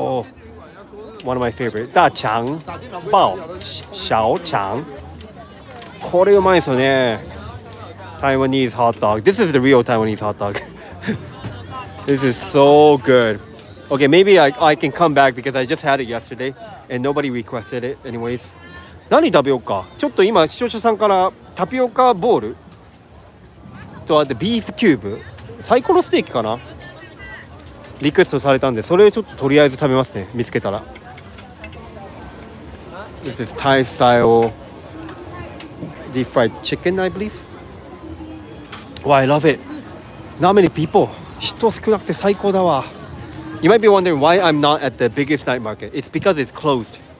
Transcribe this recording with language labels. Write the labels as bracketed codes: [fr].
[en] Oh, one of my favorite. Da chang bao, xiao chang. [ja] これうまいですよね。Taiwanese hot dog. [en] This is the real Taiwanese hot dog. This is so good. Okay, maybe I can come back because I just had it yesterday and nobody requested it anyways. [ja] 何食べようか。ちょっと今視聴者さんからタピオカボールとあとビーフキューブ、サイコロステーキかな。リクエストされたんで、それをちょっととりあえず食べますね、見つけたら。 [en] This is Thai style deep fried chicken, I believe. Wow, I love it. Not many people. [ja] 人少なくて最高だわ。 [en] You might be wondering why I'm not at the biggest night market. It's because it's closed.